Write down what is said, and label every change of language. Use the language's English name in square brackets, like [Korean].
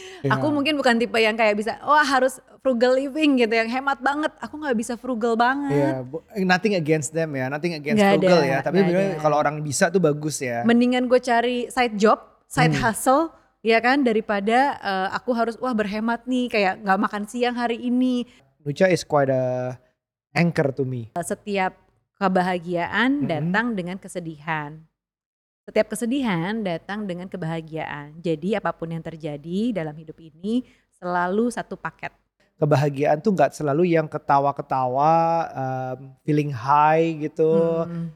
[Indonesian] Aku mungkin bukan tipe yang kayak bisa, wah harus frugal living gitu, yang hemat banget. Aku gak bisa frugal banget. [English] Nothing against them ya, nothing against gak frugal ada, ya. [Indonesian] Tapi sebenarnya kalau orang bisa tuh bagus ya. Mendingan gue cari side job, side hustle. Ya kan, daripada aku harus wah berhemat nih, kayak gak makan siang hari ini. [English] Nucha is quite a anchor to me. [Indonesian] Setiap kebahagiaan datang dengan kesedihan. Setiap kesedihan datang dengan kebahagiaan. Jadi apapun yang terjadi dalam hidup ini selalu satu paket. Kebahagiaan tuh gak selalu yang ketawa-ketawa, [English] feeling high [Indonesian] gitu.